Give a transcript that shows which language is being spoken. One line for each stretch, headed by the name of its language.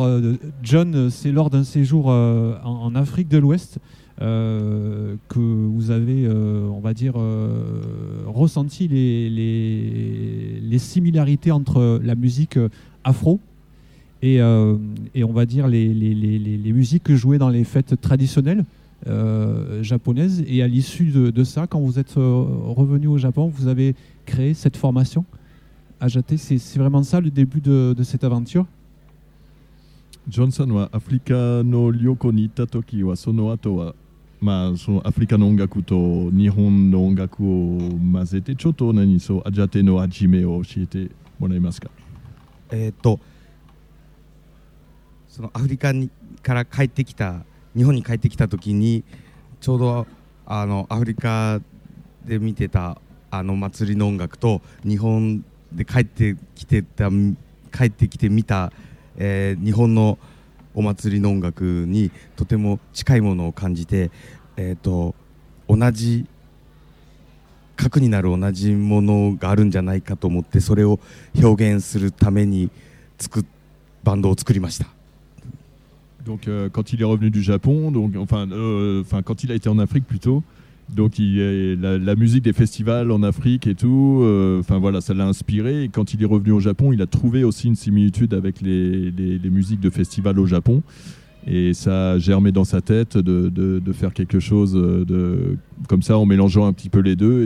French: Alors John, c'est lors d'un séjour en Afrique de l'Ouest que vous avez, on va dire, ressenti les similarités entre la musique afro et on va dire les musiques que jouaient dans les fêtes traditionnelles japonaises. Et à l'issue de ça, quand vous êtes revenu au Japon, vous avez créé cette formation Adjaté. C'est vraiment ça le début de cette aventure?
Japanese: Johnson, Africa no Lyoko ni itta toki wa sono ato wa まあそのアフリカの音楽と日本の音楽を混ぜてちょっと何そうアジャテの始めを教えてもらえますか。そのアフリカにから帰ってきた日本に帰ってきた時にちょうどあのアフリカで見てたあの祭りの音楽と日本で帰ってきて見た、日本のお祭りの音楽にとても近いものを感じて、同じ核になる同じものがあるんじゃないかと思ってそれを表現するためにバンドを作りました。
French: Donc, quand il est revenu du Japon, donc, enfin, quand il a été en Afrique plutôt, donc la musique des festivals en Afrique et tout, enfin voilà, ça l'a inspiré. Et quand il est revenu au Japon, il a trouvé aussi une similitude avec les musiques de festivals au Japon, et ça a germé dans sa tête de faire quelque chose de comme ça en mélangeant un petit peu les deux.